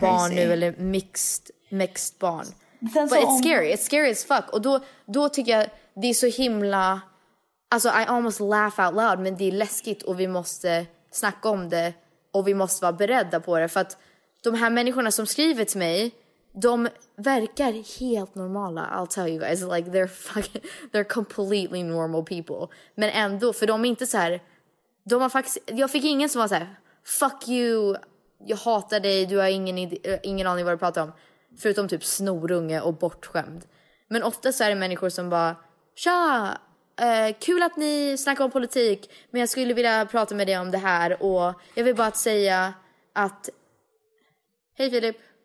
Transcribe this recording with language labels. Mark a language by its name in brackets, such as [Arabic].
[Swedish] barn nu eller mixed barn. [English] But it's scary, it's scary as fuck. [Swedish] Och då tycker jag det är så himla, alltså [English] I almost laugh out loud, [Swedish] men det är läskigt och vi måste snacka om det och vi måste vara beredda på det, för att de här människorna som skriver till mig, de verkar helt normala. [English] I'll tell you guys, like they're fucking, they're completely normal people. [Swedish] Men ändå, för de är inte så här, de har faktiskt, jag fick ingen som var så här, [English] fuck you, [Swedish] jag hatar dig, du har ingen aning vad du pratar om, förutom typ snorunge och bortskämd. Men ofta så är det människor som bara, tja, kul att ni snackar om politik, men jag skulle vilja prata med dig om det här, och jag vill bara säga att, hej Filip.